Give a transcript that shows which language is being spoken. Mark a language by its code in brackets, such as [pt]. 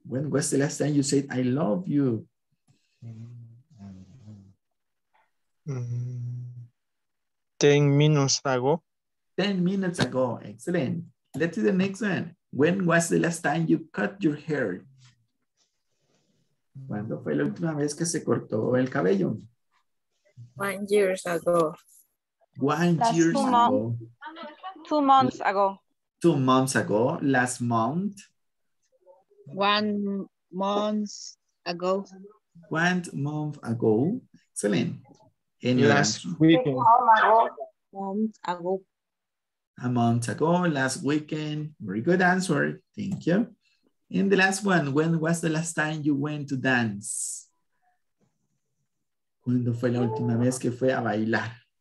[en] When was the last time you said, I love you? Mm-hmm. 10 minutes ago. 10 minutes ago. Excellent. Let's see the next one. When was the last time you cut your hair? [es] ¿Cuándo fue la última vez que se cortó el cabello? [en] 1 year ago. 1 year ago. 2 months ago. 2 months ago. Last month. 1 month ago. 1 month ago. Excellent. Any last weekend. A month ago. Last weekend. Very good answer. Thank you. And the last one. When was the last time you went to dance? [es] ¿Cuándo fue la última vez que fue a bailar?